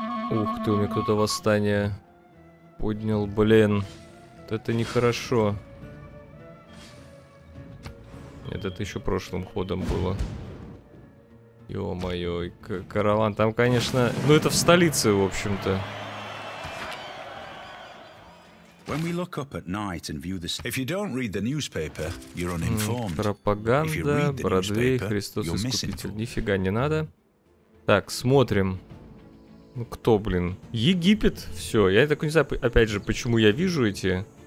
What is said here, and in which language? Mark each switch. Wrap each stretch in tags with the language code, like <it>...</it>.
<ru>Ух ты, у меня кто-то восстание поднял, блин. Вот это нехорошо. Нет, это еще прошлым ходом было. Ё-моё, караван. Там, конечно... Ну, это в столице, в общем-то.</ru> <en>When we look up at night and view this, if you don't read the newspaper, you're uninformed.</en> <ru>Пропаганда, Бродвей, Христос Искупитель. Нифига не надо. Так, смотрим. Ну кто, блин? Египет? Все. Я так не знаю, опять же, почему я вижу эти.</ru>